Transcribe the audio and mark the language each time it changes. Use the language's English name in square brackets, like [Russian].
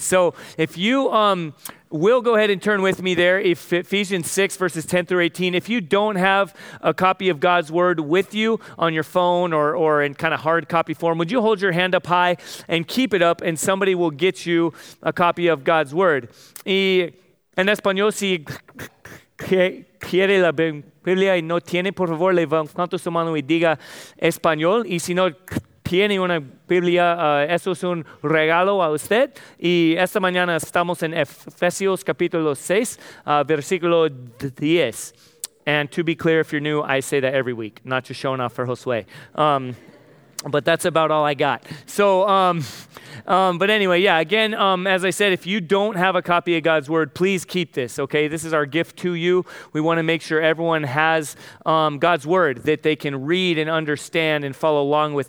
[English] So if you will go ahead and turn with me there, Ephesians 6 verses 10 through 18. If you don't have a copy of God's word with you on your phone or in kind of hard copy form, would you hold your hand up high and keep it up and somebody will get you a copy of God's word. [Spanish] En español, si quiere la Biblia y no tiene, por favor, levanta su mano y diga español. Y si no tiene una Biblia, eso es un regalo a usted. Y esta mañana estamos en Efesios capítulo 6, versículo 10. [English] And to be clear, if you're new, I say that every week, not just showing off for Josue. But that's about all I got. So, but anyway, yeah, again, as I said, if you don't have a copy of God's word, please keep this, okay? This is our gift to you. We want to make sure everyone has God's word that they can read and understand and follow along with.